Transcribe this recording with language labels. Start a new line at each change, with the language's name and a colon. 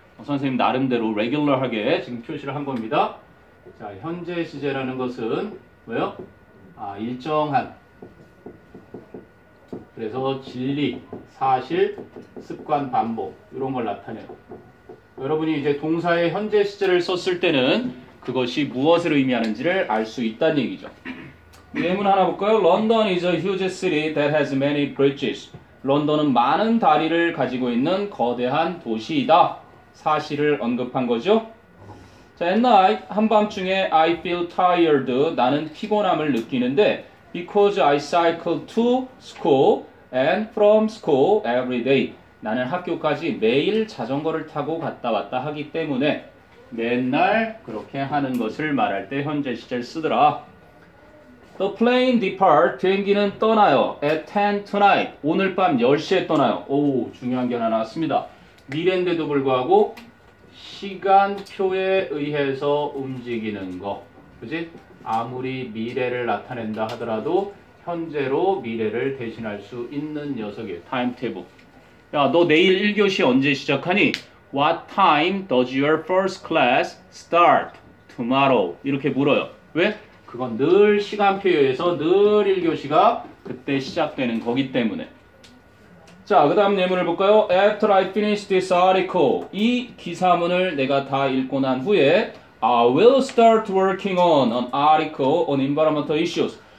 Korean: 선생님 나름대로 레귤러하게 지금 표시를 한 겁니다. 자, 현재 시제라는 것은 뭐예요? 일정한. 그래서 진리, 사실, 습관, 반복 이런 걸 나타내요. 여러분이 이제 동사의 현재 시제를 썼을 때는 그것이 무엇을 의미하는지를 알 수 있다는 얘기죠. 예문 하나 볼까요?
English: London is a huge city that has many bridges.
Korean: 런던은 많은 다리를 가지고 있는 거대한 도시이다. 사실을 언급한 거죠. 자,
English: at night,
Korean: 한밤중에
English: I feel tired.
Korean: 나는 피곤함을 느끼는데
English: Because I cycle to school and from school every day.
Korean: 나는 학교까지 매일 자전거를 타고 갔다 왔다 하기 때문에 맨날 그렇게 하는 것을 말할 때 현재 시제를 쓰더라.
English: The plane departs.
Korean: 비행기는 떠나요.
English: At 10 tonight.
Korean: 오늘 밤 10시에 떠나요. 오, 중요한 게 하나 나왔습니다. 미래인데도 불구하고 시간표에 의해서 움직이는 거. 그지? 아무리 미래를 나타낸다 하더라도 현재로 미래를 대신할 수 있는 녀석이에요. 타임테이블. 야, 너 내일 1교시 언제 시작하니?
English: What time does your first class start tomorrow?
Korean: 이렇게 물어요. 왜? 그건 늘 시간표에서 늘 1교시가 그때 시작되는 거기 때문에. 자, 그 다음 예문을 볼까요?
English: After I finish this article,
Korean: 이 기사문을 내가 다 읽고 난 후에
English: I will start working on an article on environmental issues.